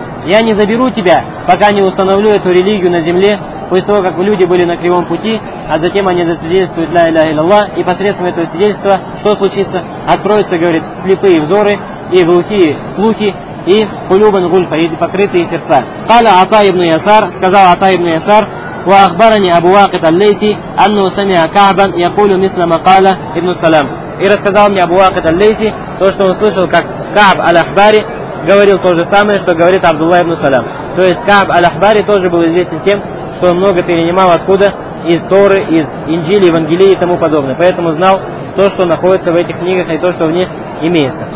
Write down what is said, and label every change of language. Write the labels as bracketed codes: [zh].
[ru] Я не заберу тебя, пока не установлю эту религию на земле, после того, как люди были на кривом пути, а затем они засвидетельствуют [ar] «Ля илляха илляллах», [ru] и посредством этого свидетельства, что случится? Откроются, говорит, слепые взоры и глухие слухи, и [ar] «Кулюбан гульфа», [ru] и покрытые сердца. [ar] «Кала Ата ибн Ясар», сказал Ата ибн Ясар, وأخبرني أبو واقد الليثي أنه سمع كعبا يقول مثل ما قال ابن السلام. [ru] И рассказал мне Абу Вакид аль-Лейси, то что он слышал, как Каб аль-Ахбари говорил то же самое, что говорит Абдулла ибн Салам. То есть Каб аль-Ахбари тоже был известен тем, что он много перенимал откуда? Из Торы, из Инджили, Евангелии и тому подобное. Поэтому знал то, что находится в этих книгах, и то, что в них имеется.